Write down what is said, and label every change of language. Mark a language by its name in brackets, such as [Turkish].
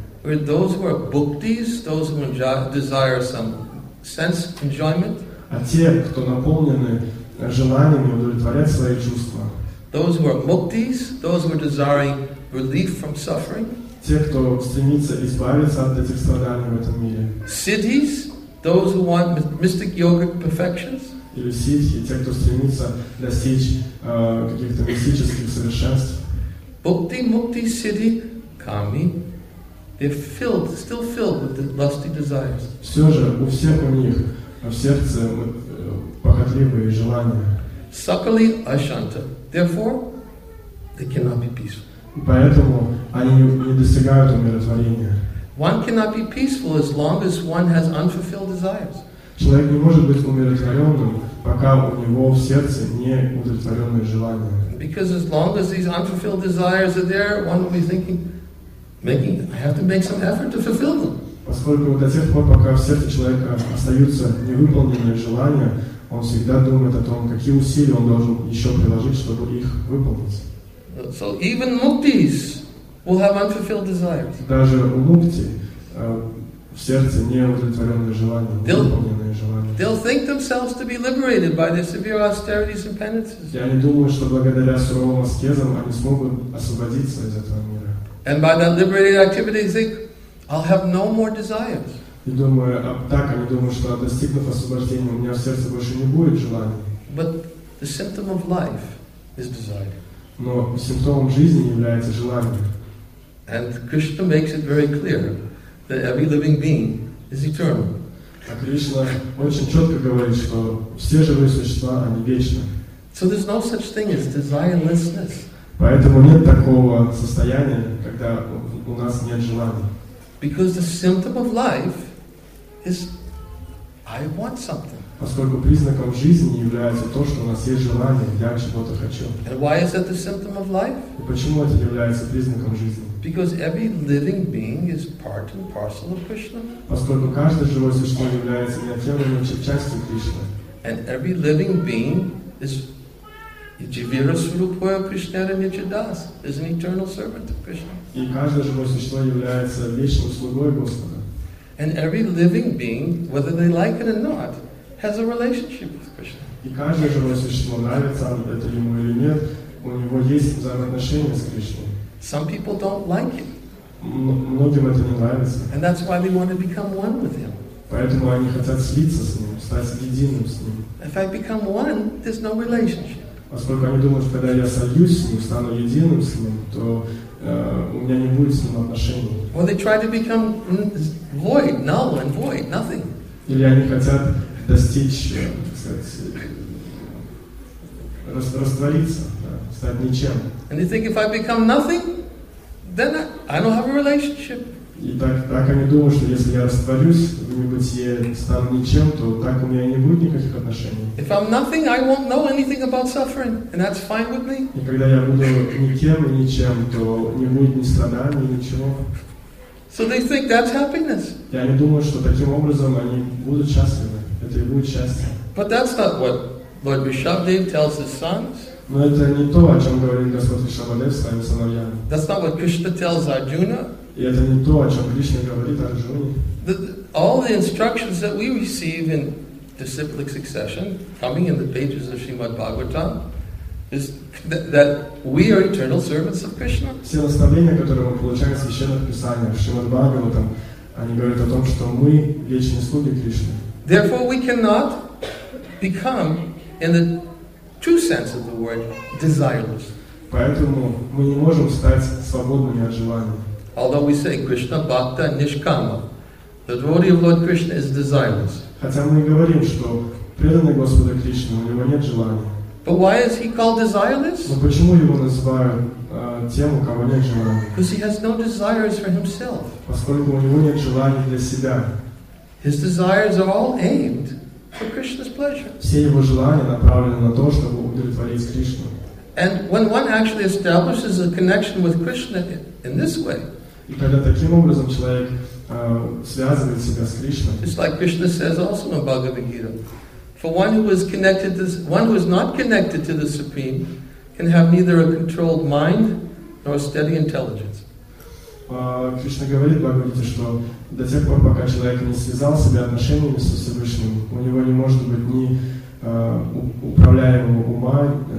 [English] Where those who are bhaktis, those who desire some sense enjoyment. [Russian] А те, кто наполнены желаниями удовлетворять свои чувства. [English] Those who are muktis, those who are desiring relief from suffering. [Russian] Те, кто стремится избавиться от этих страданий в этом мире. [English] Siddhis, those who want mystic yogic perfections. [Russian] Или сиддхи, те, кто стремится достичь каких-то мистических совершенств. [Sanskrit] Bhakti, mukti, siddhi, kami. [English] They're filled, still filled with the lusty desires. [Russian] Все же у всех у них в сердце похотливые желания. [Sanskrit] Sakali ashanta. [English] Therefore, they cannot be peaceful. [Russian] Поэтому они не достигают умиротворения. [English] One cannot be peaceful as long as one has unfulfilled desires. [Russian] Человек не может быть умиротворенным, пока у него в сердце не удовлетворенные желания. [English] Because as long as these unfulfilled desires are there, one will be thinking, making, I have to make some effort to fulfill them. [Russian] Поскольку до тех пор, пока в сердце человека остаются невыполненные желания, он всегда думает о том, какие усилия он должен еще приложить, чтобы их выполнить. [English] So even muktis will have unfulfilled desires. [Russian] Даже у мукти в сердце неудовлетворенные желания, невыполненные желания. [English] They'll think themselves to be liberated by their severe austerities and penances. [Russian] Я не думаю, что благодаря суровым аскезам они смогут освободиться из этого мира. [English] And by that liberated activity, they think, I'll have no more desires. [Russian] И думаю, так они думают, что достигнув освобождения, у меня в сердце больше не будет желаний. [English] But the symptom of life is desire. [Russian] Но симптомом жизни является желание. [English] And Krishna makes it very clear that every living being is eternal. [Russian] А Кришна очень четко говорит, что все живые существа, они вечны. [English] So there's no such thing as desirelessness. [Russian] Поэтому нет такого состояния, когда у нас нет желаний. [English] Because the symptom of life is I want something. [Russian] Поскольку признаком жизни является то, что у нас есть желание, я чего-то хочу. [English] And why is that the symptom of life? [Russian] И почему это является признаком жизни? [English] Because every living being is part and parcel of Krishna. [Russian] Поскольку каждое живое существо является неотъемлемой частью Кришны. [English] And every living being is [Sanskrit] Jivira Surupoya Krishna Nichidas [English] is an eternal servant of Krishna. [Russian] И каждое живое существо является вечным слугой Господа. [English] And every living being, whether they like it or not, has a relationship with Krishna. [Russian] И каждое живое существо, нравится это ему или нет, у него есть взаимоотношения с Кришной. [English] Some people don't like it. [Russian] Многим это не нравится. [English] And that's why they want to become one with him. [Russian] Поэтому они хотят слиться с ним, стать единым с ним. [English] If I become one, there's no relationship. [Russian] Поскольку они думают, что когда я сольюсь с ним, стану единым с ним, то у меня не будет с ним отношений. [English] Or they try to become void, null and void, nothing. [Russian] Или они хотят достичь, так сказать, раствориться, да, стать ничем. [English] And they think if I become nothing, then I don't have a relationship. [Russian] И так они думают, что если я растворюсь в небытие, стану ничем, то так у меня и не будет никаких отношений. [English] If I'm nothing, I won't know anything about suffering, and that's fine with me. [Russian] И когда я буду никем и ничем, то не будет ни страданий, ничего. [English] So they think that's happiness. [Russian] И они думают, что таким образом они будут счастливы. Это и будет счастье. [English] But that's not what Lord Vrishabhdev tells his sons. [Russian] Но это не то, о чем говорит Господь Вишабхадев своим сыновьям. [English] That's not what Krishna tells Arjuna. [Russian] И это не то, о чем Кришна говорит Арджуне. [English] All the instructions that we receive in disciplic succession, coming in the pages of Srimad Bhagavatam, is that we are eternal servants of Krishna. [Russian] Все наставления, которые мы получаем в священных писаниях, в Шримад Бхагаватам, они говорят о том, что мы вечные слуги Кришны. [English] Therefore, we cannot become, in the true sense of the word, desireless. [Russian] Поэтому мы не можем стать свободными от желаний. [English] Although we say [Sanskrit] Krishna Bhakta Nishkama, [English] the devotee of Lord Krishna is desireless. [Russian] Хотя мы говорим, что преданный Господу Кришне, у него нет желания. [English] But why is he called desireless? [Russian] Но почему его называют тем, у кого нет желаний? [English] Because he has no desires for himself. [Russian] Поскольку у него нет желаний для себя. [English] His desires are all aimed for Krishna's pleasure. [Russian] Все его желания направлены на то, чтобы удовлетворить Кришну. [English] And when one actually establishes a connection with Krishna in this way, [Russian] и когда таким образом человек связывает себя с Кришной, [English] it's like Krishna says also in Bhagavad Gita. For one who is connected to, one who is not connected to the Supreme, can have neither a controlled mind nor a steady intelligence. [Russian] Кришна говорит в Бхагавате, что до тех пор, пока человек не связал себя отношениями со Всевышним, у него не может быть ни управляемого ума,